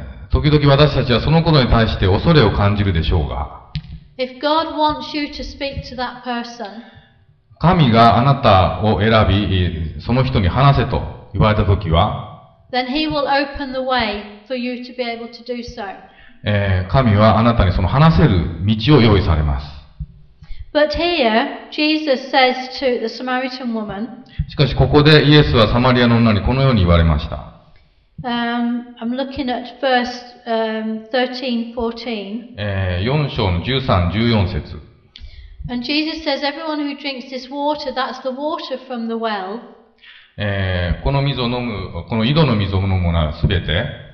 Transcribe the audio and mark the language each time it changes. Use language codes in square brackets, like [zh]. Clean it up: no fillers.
[ja] 時々私たちはそのことに対して恐れを感じるでしょうが [en] If God wants you to speak to that person, [ja] 神があなたを選びその人に話せと言われた時は [en] Then he will open the way for you to be able to do so. [ja] 神はあなたにその話せる道を用意されます。 [en] But here, Jesus says to the Samaritan woman, [ja] しかしここでイエスはサマリアの女にこのように言われました。 [en] I'm looking at verse 13-14. [ja] 4章の13、14節。 [en] And Jesus says, everyone who drinks this water, that's the water from the well. [ja] この水を飲む、この井戸の水を飲むのはすべて、